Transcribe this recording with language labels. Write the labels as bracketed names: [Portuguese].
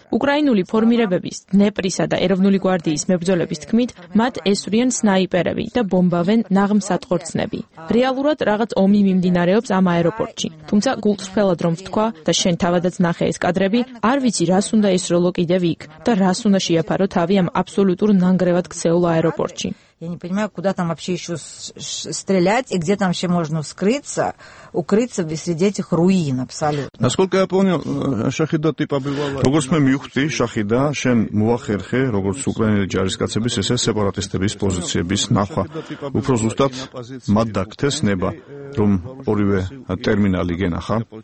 [Georgian] უკრაინული ფორმირებების, დნეპრისა და ეროვნული გვარდიის მებრძოლების თქმით, მათ ესვრიან სნაიპერები და ბომბავენ ნაღმსატყორცნები. რეალურად რაღაც ომი მიმდინარეობს ამ აეროპორტში. თუმცა გულწრფელად რომ ვთქვა და შენ თავადაც ნახე ეს კადრები, არ ვიცი რას უნდა ესროლო კიდევ იქ და რას უნდა შეაფარო თავი ამ აბსოლუტურ ნანგრევად ქცეულ აეროპორტში. [Russian] Я не понимаю, куда там вообще ещё стрелять и где там вообще можно скрыться, укрыться среди этих руин абсолютно. Насколько я понял, Шахида типа бывала. [Georgian] როგორც მე მივხვდი, Шахида, შენ მოახერხე, როგორც უკრაინელი ჯარისკაცების ესე სეპარატისტების პოზიციების ნახვა. უფრო ზუსტად, მათ დაგქთეს ნება. რომ ორივე ტერმინალი გენახა.